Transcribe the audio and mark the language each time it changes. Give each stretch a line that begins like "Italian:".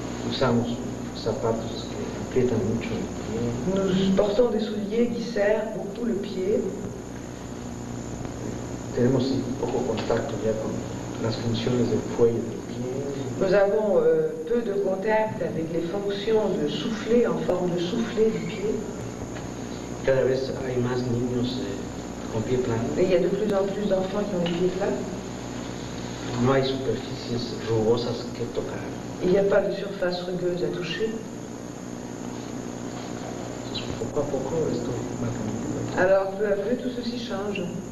Spanish: usamos zapatos que aprietan mucho el pie.
French: Nous portons des souliers qui serrent beaucoup le pied.
Spanish: Tenemos poco contacto ya con las funciones del cuello del pie.
French: Nous avons peu de contact avec les fonctions de souffler, en forme de souffler du pied.
Spanish: Cada vez hay más niños con pie plano.
French: Et il y a de plus en plus d'enfants qui ont les pieds plats.
Spanish: No hay superficies rugosas que tocar.
French: Il n'y a pas de surface rugueuse à toucher.
Spanish: Poco a poco esto va cambiando.
French: Alors peu à peu tout ceci change.